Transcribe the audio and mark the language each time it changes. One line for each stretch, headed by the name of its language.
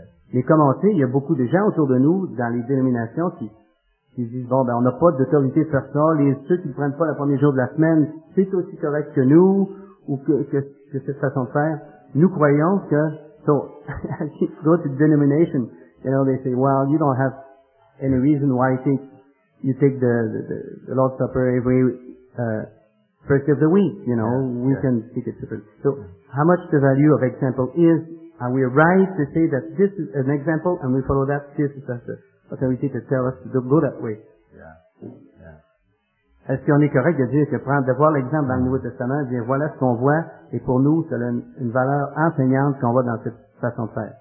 French: Mais comme on sait, il y a beaucoup de gens autour de nous, dans les dénominations, qui disent, bon, ben, on n'a pas d'autorité de faire ça, les ceux qui ne prennent pas le premier jour de la semaine, c'est aussi correct que nous, ou que cette façon de faire. Nous croyons que,
English: so, go to the denomination, you know, they say, well, you don't have any reason why you think you take the Lord's Supper every first of the week, you know, can take it different. So, how much the value of example is? Are we right to say that this is an example and we follow that? This is the authority to tell us to go that way. Yeah.
French: Est-ce qu'on est correct de dire que prendre, de voir l'exemple dans le Nouveau Testament, de dire voilà ce qu'on voit et pour nous, c'est une valeur enseignante qu'on voit dans cette façon de faire?